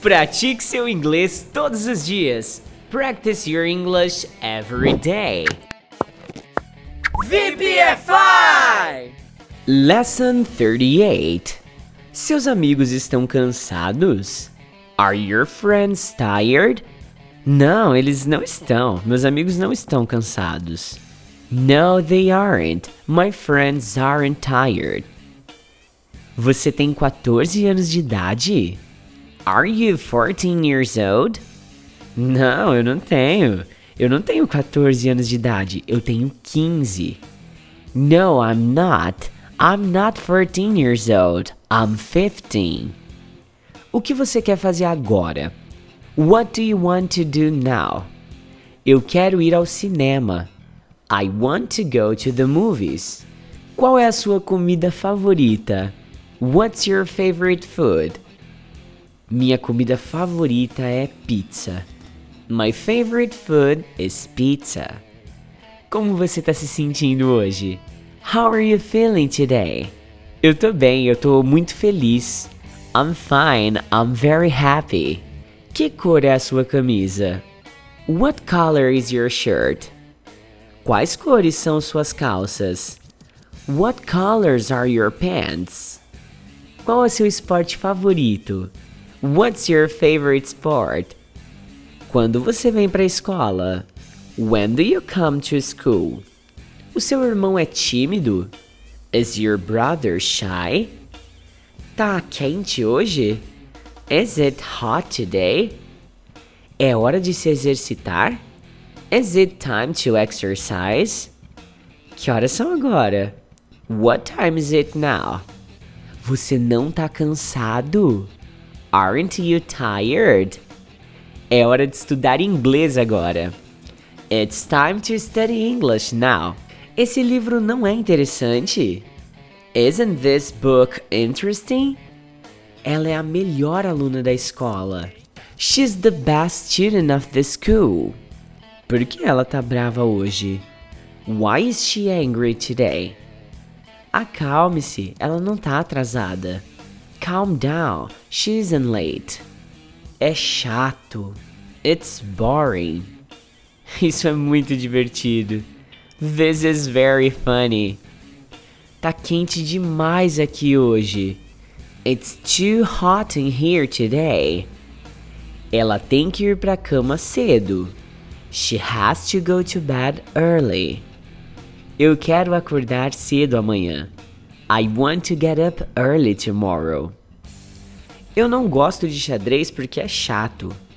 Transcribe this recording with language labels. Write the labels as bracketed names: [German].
[Portuguese] Pratique seu inglês todos os dias. [English] Practice your English every day. VPFI! Lesson 38. [Portuguese] Seus amigos estão cansados? [English] Are your friends tired? [Portuguese] Não, eles não estão. Meus amigos não estão cansados. [English] No, they aren't. My friends aren't tired. [Portuguese] Você tem 14 anos de idade? [English] Are you 14 years old? [Portuguese] Não, eu não tenho. Eu não tenho 14 anos de idade. Eu tenho 15. [English] No, I'm not. I'm not 14 years old. I'm 15. [Portuguese] O que você quer fazer agora? [English] What do you want to do now? [Portuguese] Eu quero ir ao cinema. [English] I want to go to the movies. [Portuguese] Qual é a sua comida favorita? [English] What's your favorite food? [Portuguese] Minha comida favorita é pizza. [English] My favorite food is pizza. [Portuguese] Como você está se sentindo hoje? [English] How are you feeling today? [Portuguese] Eu tô bem, eu tô muito feliz. [English] I'm fine, I'm very happy. [Portuguese] Que cor é a sua camisa? [English] What color is your shirt? [Portuguese] Quais cores são suas calças? [English] What colors are your pants? [Portuguese] Qual é seu esporte favorito? [English] What's your favorite sport? [Portuguese] Quando você vem para a escola? [English] When do you come to school? [Portuguese] O seu irmão é tímido? [English] Is your brother shy? [Portuguese] Tá quente hoje? [English] Is it hot today? [Portuguese] É hora de se exercitar? [English] Is it time to exercise? [Portuguese] Que horas são agora? [English] What time is it now? [Portuguese] Você não tá cansado? [English] Aren't you tired? [Portuguese] É hora de estudar inglês agora. [English] It's time to study English now. [Portuguese] Esse livro não é interessante? [English] Isn't this book interesting? [Portuguese] Ela é a melhor aluna da escola. [English] She's the best student of the school. [Portuguese] Por que ela tá brava hoje? [English] Why is she angry today? [Portuguese] Acalme-se, ela não tá atrasada. [English] Calm down, she isn't late. [Portuguese] É chato. [English] It's boring. [Portuguese] Isso é muito divertido. [English] This is very funny. [Portuguese] Tá quente demais aqui hoje. [English] It's too hot in here today. [Portuguese] Ela tem que ir pra cama cedo. [English] She has to go to bed early. [Portuguese] Eu quero acordar cedo amanhã. [English] I want to get up early tomorrow. [Portuguese] Eu não gosto de xadrez porque é chato.